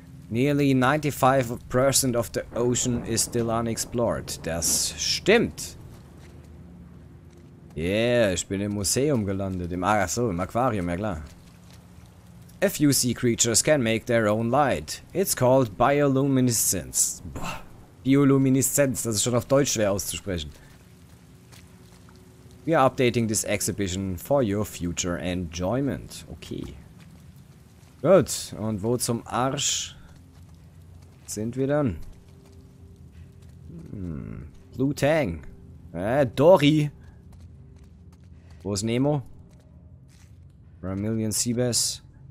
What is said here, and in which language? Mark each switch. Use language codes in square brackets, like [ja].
[en] Nearly 95% of the ocean is still unexplored. [de] Das stimmt. Yeah, ich bin im Museum gelandet. Im Aquarium, ja klar. [en] A few sea creatures can make their own light. It's called bioluminescence. [de] Bioluminescence, das ist schon auf Deutsch schwer auszusprechen. [en] We are updating this exhibition for your future enjoyment. [de] Okay. Gut, und wo zum Arsch sind wir dann? Blue Tang. Dory. Wo ist Nemo? [en] Vermilion Seabass.